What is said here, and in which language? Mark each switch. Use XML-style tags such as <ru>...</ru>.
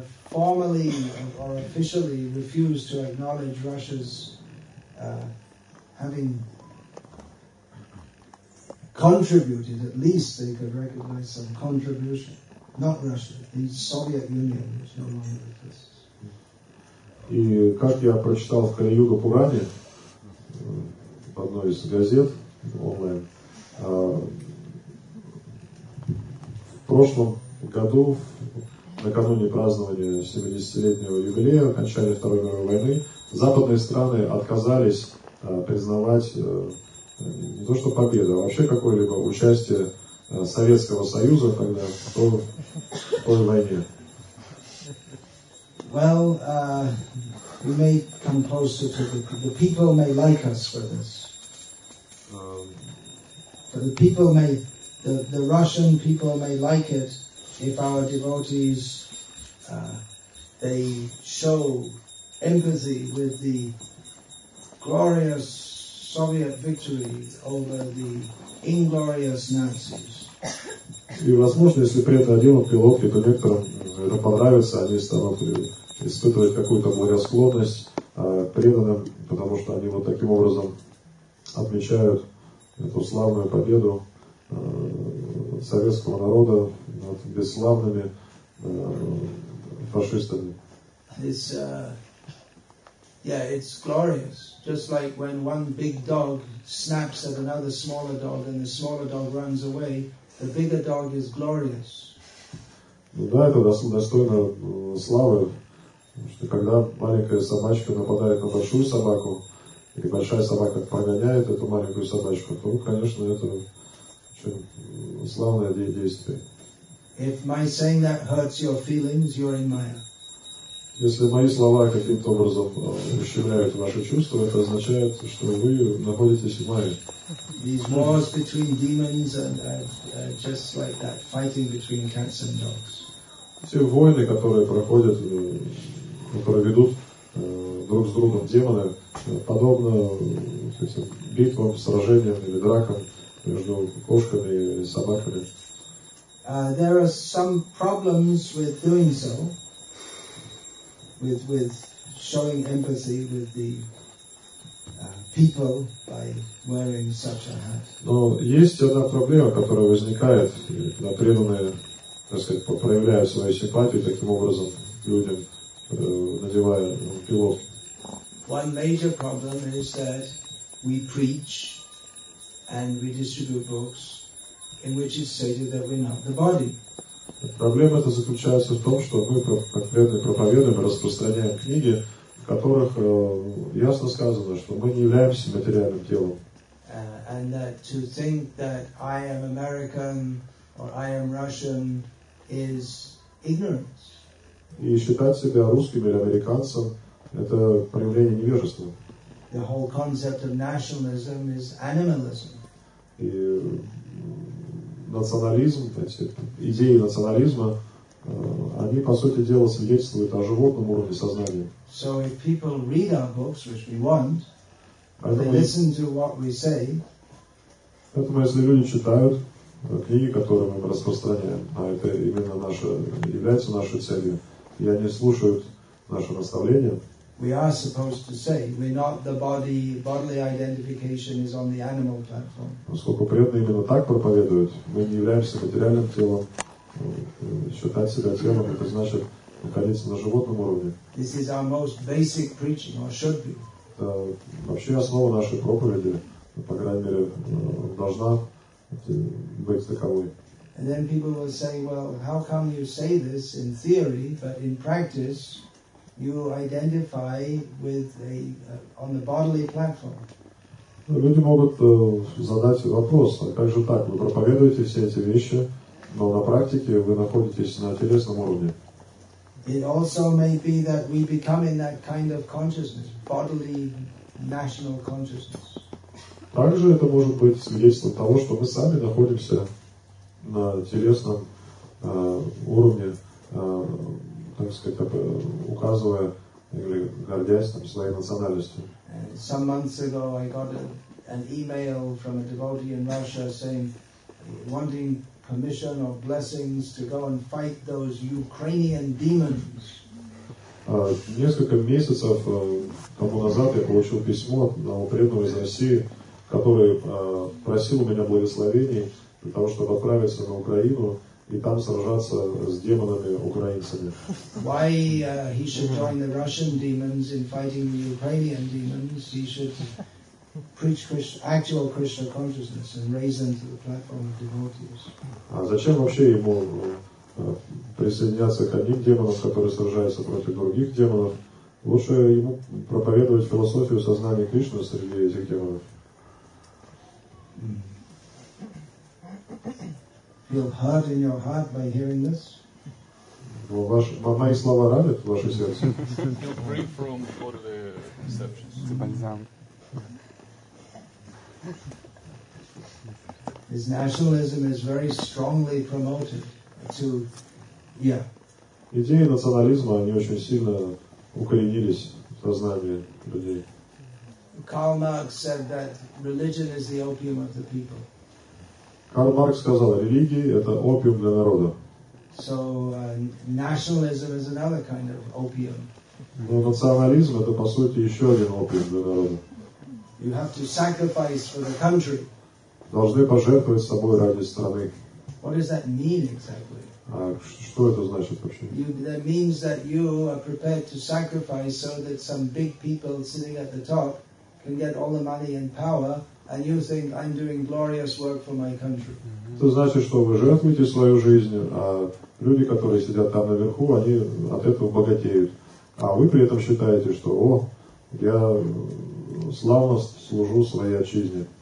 <en>Formally or officially refused to acknowledge Russia's having contributed. At least they could recognize some contribution. Not Russia, the Soviet Union, which no longer exists.</en> <ru>И как я прочитал в Кали-Юга Пуране в одной из газет онлайн, в прошлом году, накануне празднования 70-летнего юбилея, окончания Второй мировой войны, западные страны отказались признавать не то что победу, а вообще какое-либо участие Советского Союза тогда в той войне.</ru> <en>Well, we may come closer to the people may like us for this. The Russian people may like it if our devotees they show empathy with the glorious Soviet victory over the inglorious Nazis.</en> <ru>И возможно, если при этом один пилот или конвектор это понравится, они станут испытывать какую-то благосклонность преданным, потому что они вот таким образом отмечают эту славную победу советского народа над бесславными фашистами.</ru> <en>It's glorious. Just like when one big dog snaps at another smaller dog and the smaller dog runs away, the bigger dog is glorious.</en> <ru>Да, это достойно славы. Что когда маленькая собачка нападает на большую собаку, и большая собака погоняет эту маленькую собачку, то, конечно, это Славное действие.</ru> <en>If my saying that hurts your feelings, you're in Maya.</en> <ru>Если мои слова каким-то образом ущемляют ваши чувства, это означает, что вы находитесь в Майе.</ru> <en>These wars between demons and just like that, fighting between cats and dogs.</en> <ru>Все войны, которые проходят, проведут друг с другом демоны, подобно битвам, сражениям или дракам между кошками и собаками.</ru> <en>There are some problems with doing so, with showing empathy with the people by wearing such a hat.</en> <ru>Но есть одна проблема, которая возникает, когда преданные, так сказать, проявляют свою симпатию таким образом людям, надевая пилот.</ru> <en>One major problem is that we preach and we distribute books in which it's stated that we're not the body.</en> <ru>Проблема эта заключается в том, что мы конкретно проповедуем и распространяем книги, в которых ясно сказано, что мы не являемся материальным телом.</ru> <en>And that to think that I am American or I am Russian is ignorance.</en> <ru>И считать себя русским или американцем – это проявление невежества.</ru> <en>The whole concept of nationalism is animalism.</en> <ru>И национализм, эти идеи национализма, они, по сути дела, свидетельствуют о животном уровне сознания.</ru> <en>So if people read our books, which we want, and they listen to what we say,</en> <ru>поэтому, если люди читают книги, которые мы распространяем, а это именно наша, является нашей целью, и они слушают наше наставление,</ru> <en>we are supposed to say we're not the body. Bodily identification is on the animal platform.</en> <ru>Поскольку преданные именно так проповедуют, мы не являемся материальным телом. Считать себя телом – это значит находиться на животном уровне.</ru> <en>This is our most basic preaching, or should be.</en> <ru>Это вообще основа нашей проповеди, по крайней мере, должна быть таковой.</ru> <en>And then people will say, well, how come you say this in theory, but in practice you identify with on the bodily platform.</en> <ru>Люди могут задать вопрос, а как же так? Вы проповедуете все эти вещи, но на практике вы находитесь на телесном уровне.</ru> <en>It also may be that we become in that kind of consciousness, bodily national consciousness.</en> <ru>Также это может быть свидетельством того, что мы сами находимся на телесном уровне, так сказать, указывая или гордясь там своей национальностью.</ru> <en>Some months ago I got an email from a devotee in Russia saying, wanting permission or blessings to go and fight those Ukrainian demons.</en> <ru>Несколько месяцев тому назад я получил письмо от одного преданного из России, который просил у меня благословений для того, чтобы отправиться на Украину и там сражаться с демонами-украинцами.</ru> <en>Why he should join the Russian demons in fighting the Ukrainian demons, he should preach actual Krishna consciousness and raise them to the platform of devotees.</en> <ru>А зачем вообще ему присоединяться к одним демонам, которые сражаются против других демонов? Лучше ему проповедовать философию сознания Кришны среди этих демонов.</ru> <en>Feel hurt in your heart by hearing this?</en> <ru>Мои слова ранят ваше сердце?</ru> <en>Feel free from bodily perceptions. His nationalism is very strongly promoted to, yeah.</en> <ru>Идеи национализма, они очень сильно укоренились в сознании людей.</ru> <en>Karl Marx said that religion is the opium of the people.</en> <ru>Карл Маркс сказал, религии – это опиум для народа.</ru> <en>So, nationalism is another kind of opium.</en> <ru>Но национализм – это, по сути, еще один опиум для народа.</ru> <en>You have to sacrifice for the country.</en> <ru>Должны пожертвовать собой ради страны.</ru> <en>What does that mean exactly?</en> <ru>Что это значит вообще?</ru> <en>That means that you are prepared to sacrifice so that some big people sitting at the top can get all the money and power. And you think I'm doing glorious work for my country?</en> <ru>Это значит, что вы жертвуете свою жизнь, а люди, которые сидят там наверху, они от этого богатеют. А вы при этом считаете, что, о, я славно служу своей отчизне.</ru>